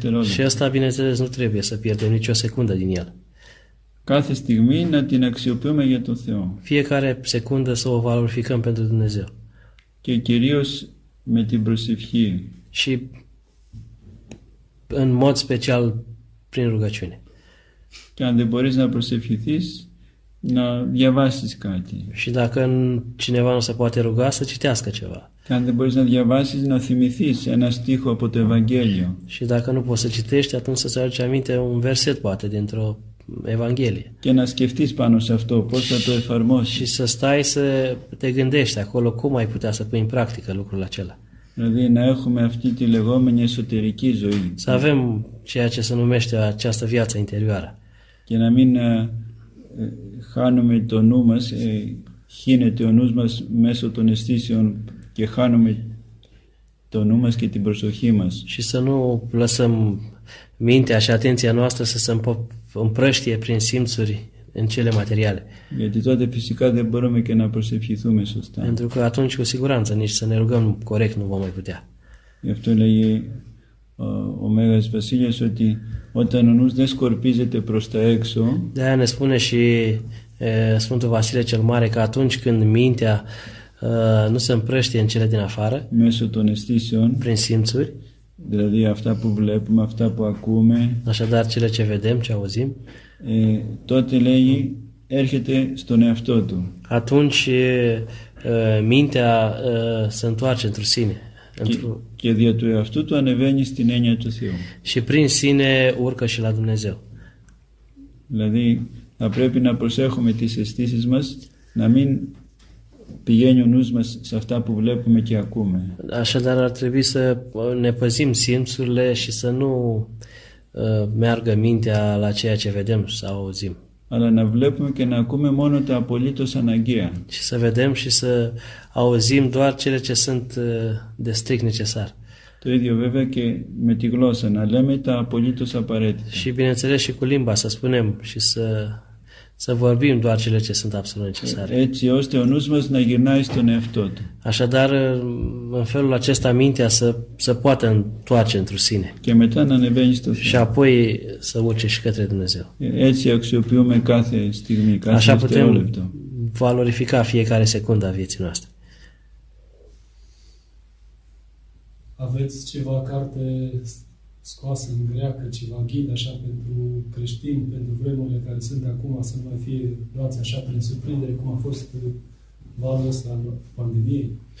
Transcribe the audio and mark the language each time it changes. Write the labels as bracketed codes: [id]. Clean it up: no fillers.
[ro] Și asta, bineînțeles, nu trebuie să pierdem nicio secundă din El. [el] Κάθε στιγμή να την αξιοποιούμε για τον Θεό. [ro] Fiecare secundă să o valorificăm pentru Dumnezeu. [el] Και κυρίως με την προσευχή. [ro] Și în mod special prin rugăciune. [el] Και αν δεν μπορείς να προσευχηθείς, να διαβάσεις κάτι. [ro] Și dacă cineva nu se poate ruga, să citească ceva. [el] Και αν δεν μπορείς να διαβάσεις, να θυμηθείς ένα στίχο από το Ευαγγέλιο. [ro] Și dacă nu poți să citești, atunci să-ți aduci aminte un verset, poate, dintr-o Evanghelie. [el] Και να σκεφτείς πάνω σε αυτό, πώς θα το εφαρμόσεις. [ro] Și să stai să te gândești acolo, cum ai putea să pui în practică lucrul acela. [el] Δηλαδή να έχουμε αυτή τη λεγόμενη εσωτερική ζωή. [ro] Să avem ceea ce se numește această viață interioară. [el] Και να μην χάνουμε το νου μας, χύνεται ο νους μας μέσω των αισθήσεων και χάνουμε το νου μας και την προσοχή μας. [ro] Și să nu lăsăm mintea și atenția noastră să se împrăștie prin simțuri în cele materiale. [el] Γιατί τότε φυσικά δεν μπορούμε και να προσευχηθούμε σωστά. [ro] Pentru că atunci cu siguranță nici să ne rugăm corect nu vom mai putea. [el] Γι' αυτό λέγει ο Μέγας Βασίλειος ότι όταν ο νους δεν σκορπίζεται προς τα έξω. [ro] Da, ne spune și Sfântul Vasile cel Mare că atunci când mintea nu se împrăștie în cele din afară, [el] μέσω των αισθήσεων, [ro] prin simțuri, [el] δηλαδή αυτά που βλέπουμε, αυτά που ακούμε, [ro] așadar cele ce vedem, ce auzim, [el] τότε λέγει έρχεται στον εαυτό του. [ro] Atunci mintea se întoarce într-o sine. [el] Και δια του εαυτού του ανεβαίνει στην έννοια του Θεού. [ro] Și prin sine urcă și la Dumnezeu. [el] Δηλαδή θα πρέπει να προσέχουμε τις αισθήσεις μας, να μην πηγαίνει ο νους μας σε αυτά που βλέπουμε και ακούμε. [ro] Așadar ar trebui să ne păzim simțurile și să nu meargă mintea la ceea ce vedem sau auzim. [el] Αλλά να βλέπουμε και να ακούμε μόνο τα απολύτως αναγκαία. [ro] Și să vedem și să auzim doar cele ce sunt de strict necesar. [el] Το ίδιο βέβαια και με τη γλώσσα, να λέμε τα απολύτως απαραίτητα. [ro] Și bineînțeles și cu limba, să spunem și să vorbim doar cele ce sunt absolut necesare. [el] Έτσι ώστε ο νους μας να γυρνάει στον εαυτό του. [ro] Așadar, în felul acesta, mintea să poată întoarce într-o sine. [el] Και μετά να ανεβαίνει στο Θεό. [ro] Și apoi să urce și către Dumnezeu. [el] Έτσι αξιοποιούμε κάθε στιγμή, κάθε [ro] Așa putem valorifica fiecare secundă a vieții noastre. Aveți ceva carte scoasă în greacă, ceva ghid așa pentru creștini, pentru vremurile care sunt acum, să nu mai fie luați așa prin surprindere, cum a fost valul ăsta al pandemiei?